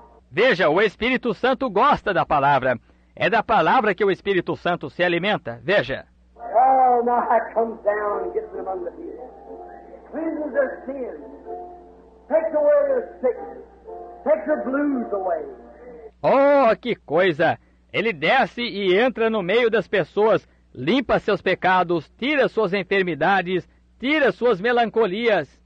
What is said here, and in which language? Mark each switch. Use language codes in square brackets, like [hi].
[pt] Veja, o Espírito Santo gosta da palavra. É da palavra que o Espírito Santo se alimenta. Veja. [en] Oh, my heart comes down and gets among the people. Cleanses their sins. Takes away their sickness. Takes their blues away. [pt] Oh, que coisa! Ele desce e entra no meio das pessoas, limpa seus pecados, tira suas enfermidades, tira suas melancolias.